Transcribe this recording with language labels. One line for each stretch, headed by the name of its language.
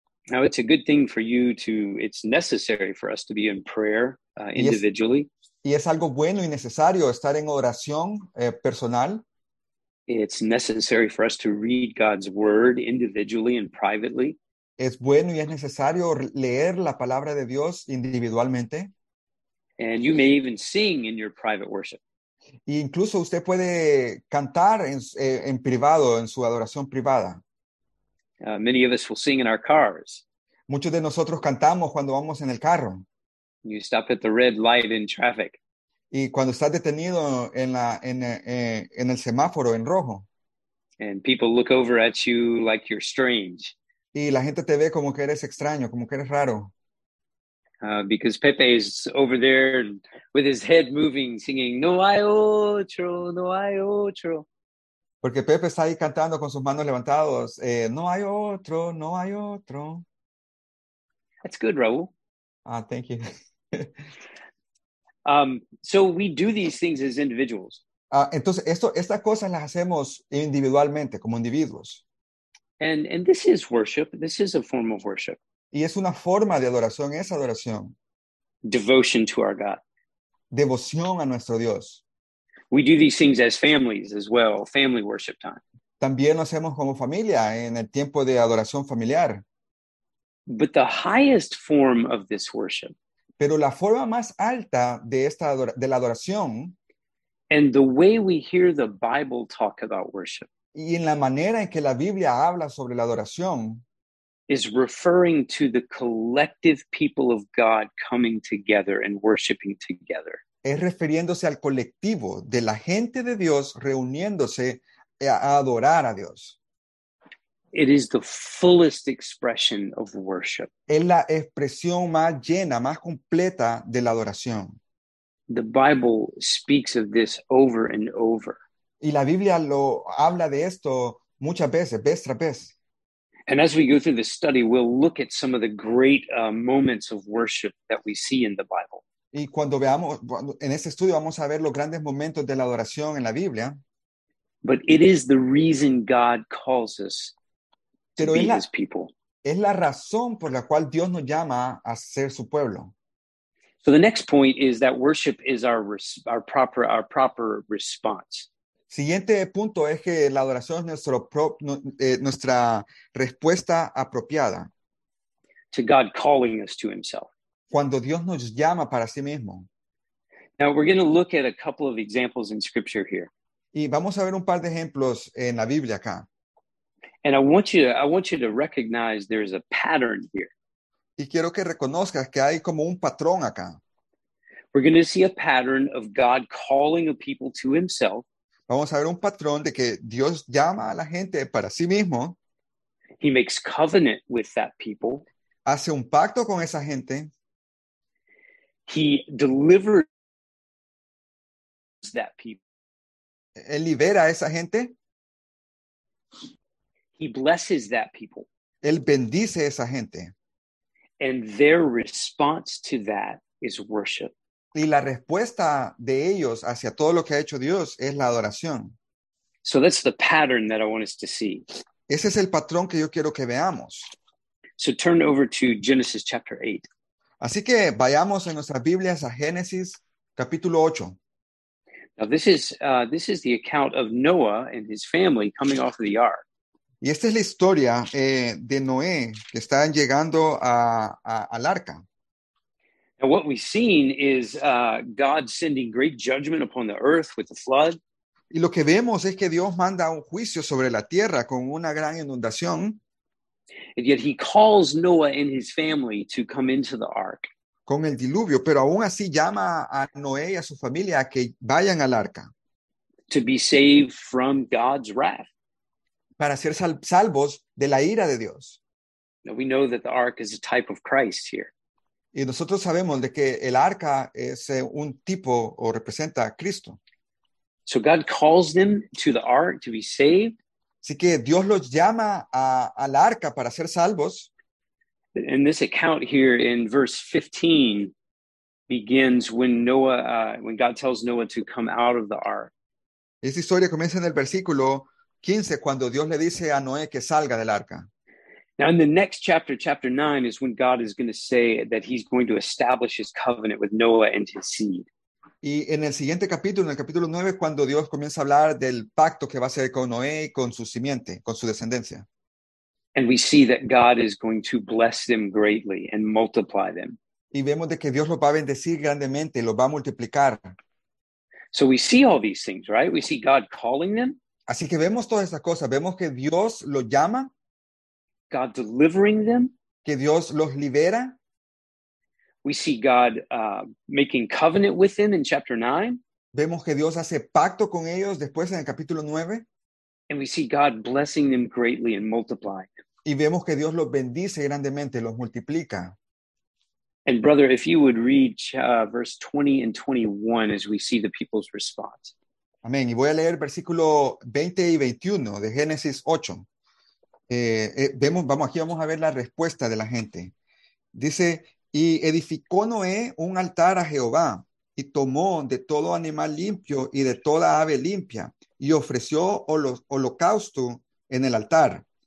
English: Now, it's a good thing for you to, it's necessary for us to be in prayer, individually.
Spanish: Y es algo bueno y necesario estar en oración personal.
English: It's necessary for us to read God's word individually and privately.
Spanish: Es bueno y es necesario leer la palabra de Dios individualmente.
English: And you may even sing in your private worship.
Spanish: E incluso usted puede cantar en privado, en su adoración privada.
English: Many of us will sing in our cars.
Spanish: Muchos de nosotros cantamos cuando vamos en el carro.
English: You stop at the red light in traffic.
Spanish: Y cuando estás detenido en el semáforo en rojo.
English: And people look over at you like you're strange.
Spanish: Y la gente te ve como que eres extraño, como que eres raro.
English: Because Pepe is over there with his head moving, singing,
Spanish: "No hay otro, no hay otro." Porque Pepe está ahí cantando con sus manos levantadas. No hay otro, no hay otro.
English: That's good, Raúl. Ah, thank you. So we do these things as individuals.
Spanish: Entonces, estas cosas las hacemos individualmente, como individuos.
English: And this is worship. This is a form of worship.
Spanish: Y es una forma de adoración, esa adoración.
English: Devotion to our God.
Spanish: Devoción a nuestro Dios.
English: We do these things as families as well, family worship time.
Spanish: También lo hacemos como familia, en el tiempo de adoración familiar.
English: But the highest form of this worship,
Spanish: Pero la forma más alta de la adoración
English: and the way we hear the Bible talk about worship,
Spanish: y en la manera en que la Biblia habla sobre la adoración,
English: is referring to the collective people of God coming together and worshiping together.
Spanish: es refiriéndose al colectivo de la gente de Dios reuniéndose a adorar a Dios.
English: It is the fullest expression of worship.
Spanish: Es la expresión más llena, más completa de la adoración.
English: The Bible speaks of this over and over.
Spanish: Y la Biblia lo habla de esto muchas veces, vez tras vez.
English: And as we go through the study, we'll look at some of the great moments of worship that we see in the Bible.
Spanish: Y cuando veamos, en este estudio vamos a ver los grandes momentos de la adoración en la Biblia.
English: But it is the reason God calls us to
Spanish: Pero
English: be his people.
Spanish: es la razón por la cual Dios nos llama a ser su pueblo.
English: So the next point is that worship is our proper response.
Spanish: Siguiente punto es que la adoración es nuestra respuesta apropiada.
English: To God calling us to himself.
Spanish: Cuando Dios nos llama para sí mismo.
English: Now we're going to look at a couple of examples in scripture here.
Spanish: Y vamos a ver un par de ejemplos en la Biblia acá.
English: And I want you to recognize there's a pattern here.
Spanish: Y quiero que reconozcas que hay como un patrón acá.
English: We're going to see a pattern of God calling a people to himself.
Spanish: Vamos a ver un patrón de que Dios llama a la gente para sí mismo,
English: He makes covenant with that people.
Spanish: hace un pacto con esa gente,
English: He delivers that people.
Spanish: él libera a esa gente,
English: He blesses that people.
Spanish: él bendice a esa gente.
English: And their response to that is worship.
Spanish: Y la respuesta de ellos hacia todo lo que ha hecho Dios es la adoración.
English: So that's the pattern that I want us to see.
Spanish: Ese es el patrón que yo quiero que veamos.
English: So turn over to Genesis chapter 8.
Spanish: Así que vayamos en nuestras Biblias a Génesis capítulo 8.
English: Now this is the account of Noah and his family coming off of the ark.
Spanish: Y esta es la historia de Noé que están llegando al arca.
English: And what we've seen is God sending great judgment upon the earth with the flood.
Spanish: Y lo que vemos es que Dios manda un juicio sobre la tierra con una gran inundación.
English: And yet he calls Noah and his family to come into the ark.
Spanish: Con el diluvio, pero aún así llama a Noé y a su familia a que vayan al arca.
English: To be saved from God's wrath.
Spanish: Para ser salvos de la ira de Dios.
English: Now we know that the ark is a type of Christ here.
Spanish: Y nosotros sabemos de que el arca es un tipo o representa a Cristo.
English: So God calls them to the ark to be saved.
Spanish: Así que Dios los llama al arca para ser salvos.
English: And this account here in verse 15 begins when Noah, when God tells Noah to come out of the ark.
Spanish: Esta historia comienza en el versículo 15 cuando Dios le dice a Noé que salga del arca.
English: Now in the next chapter, chapter 9, is when God is going to say that he's going to establish his covenant with Noah and his seed.
Spanish: Y en el siguiente capítulo, en el capítulo 9, cuando Dios comienza a hablar del pacto que va a hacer con Noé y con su simiente, con su descendencia.
English: And we see that God is going to bless them greatly and multiply them.
Spanish: Y vemos de que Dios los va a bendecir grandemente, los va a multiplicar.
English: So we see all these things, right? We see God calling them.
Spanish: Así que vemos todas estas cosas. Vemos que Dios los llama.
English: God delivering them.
Spanish: Que Dios los libera.
English: We see God making covenant with them in chapter 9.
Spanish: Vemos que Dios hace pacto con ellos después en el capítulo 9.
English: And we see God blessing them greatly and multiplying.
Spanish: Y vemos que Dios los bendice grandemente, los multiplica.
English: And brother, if you would read verse 20 and 21 as we see the people's response.
Spanish: Amén. Y voy a leer versículo 20 y 21 de Génesis 8. Vamos a ver la respuesta de la gente. Dice, y edificó Noé un altar a Jehová, y tomó de todo animal limpio y de toda ave limpia, y ofreció holocausto en el altar.